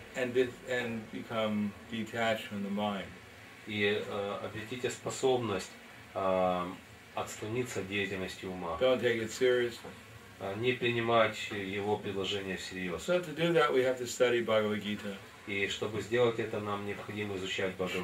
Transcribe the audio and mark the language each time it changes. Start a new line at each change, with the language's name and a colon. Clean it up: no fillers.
English: And become detached from the mind.
Russian: И обретите способность отстраниться от деятельности ума.
English: Don't take it seriously.
Russian: Не принимать его предложения всерьез.
English: So to do that, we have to study Bhagavad Gita.
Russian: И чтобы сделать это, нам необходимо изучать Бхагавад